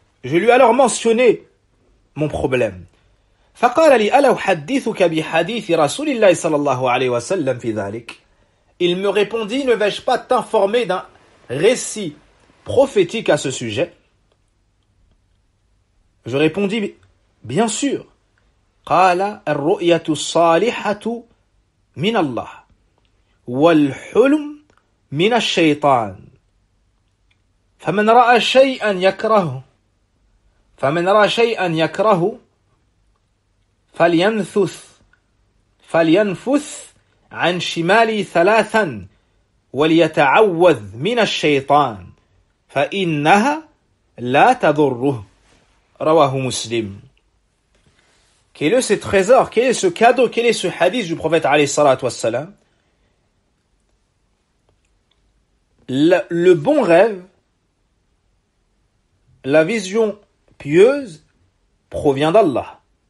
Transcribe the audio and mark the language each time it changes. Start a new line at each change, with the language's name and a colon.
French: Je lui ai alors mentionné mon problème.
Arabic: فقال لي ألا أحدثك بحديث رسول الله صلى الله عليه وسلم في ذلك؟
French: Il me répondit, ne vais-je pas t'informer d'un récit prophétique à ce sujet? Je répondis, bien sûr.
Arabic: قال الرؤية الصالحة من الله والحلم من الشيطان فمن رأى شيئا يكرهه فمن رأى شيئا يكرهه فلينفث عن شمالي ثلاثا وليتعوذ من الشيطان فإنها لا تضره رواه مسلم.
French: Quel est ce trésor, quel est ce cadeau, quel est ce hadith du prophète alayhi salat wa salam? Le bon rêve, la vision pieuse provient d'Allah.